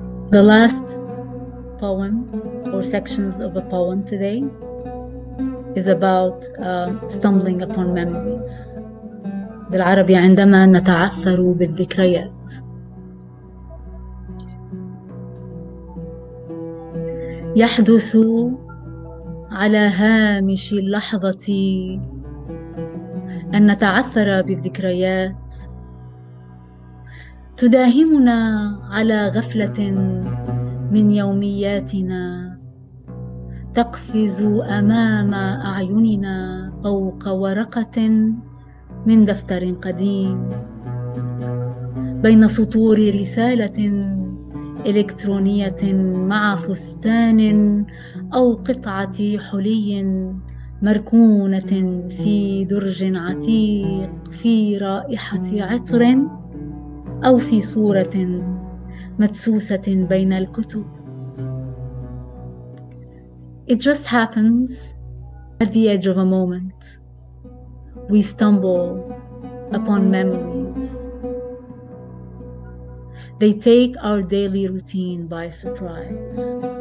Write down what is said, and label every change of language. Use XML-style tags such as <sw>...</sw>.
<en>The last poem or sections of a poem today is about stumbling upon memories.</en> <ar>بالعربي عندما نتعثر بالذكريات. يحدث على هامش اللحظة أن نتعثر بالذكريات تداهمنا على غفلة من يومياتنا تقفز أمام أعيننا فوق ورقة من دفتر قديم بين سطور رسالة إلكترونية مع فستان أو قطعة حلي مركونة في درج عتيق في رائحة عطر أو في صورة مدسوسة بين الكتب.</ar> <en>It just happens at the edge of a moment. We stumble upon memories. They take our daily routine by surprise.</en>